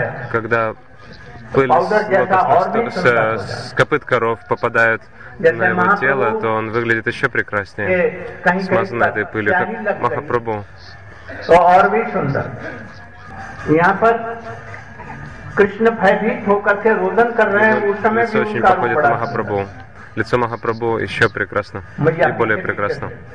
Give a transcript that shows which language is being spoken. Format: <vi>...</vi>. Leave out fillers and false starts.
<ru>когда пыль с копыт коров попадает на его тело, то он выглядит еще прекраснее, смазанный этой пылью, как Махапрабху.</ru> <hi>То और भी सुंदर. यहां पर कृष्ण भयभीत होकर के रोदन कर रहे हैं, उस समय भी</hi> <ru>очень походит на Махапрабху. Лицо Махапрабху еще прекрасно и более прекрасно.</ru>